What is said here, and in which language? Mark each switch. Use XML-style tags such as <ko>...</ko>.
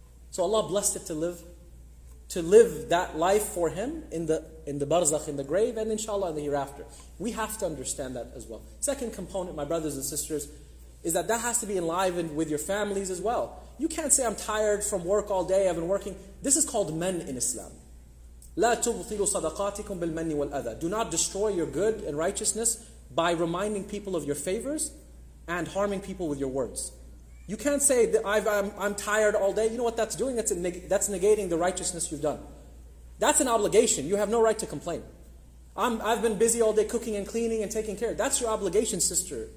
<en>So Allah blessed it to live that life for him in the barzakh, in the grave, and inshallah in the hereafter. We have to understand that as well. Second component, my brothers and sisters, is that has to be enlivened with your families as well. You can't say, I'm tired from work all day, I've been working. This is called men in Islam.</en> <ar>لا تبطلوا صدقاتكم بالمن والأذى.</ar> <en>Do not destroy your good and righteousness by reminding people of your favors and harming people with your words. You can't say that I'm tired all day. You know what that's doing? That's negating the righteousness you've done. That's an obligation. You have no right to complain. I've been busy all day cooking and cleaning and taking care. That's your obligation, sister.</en>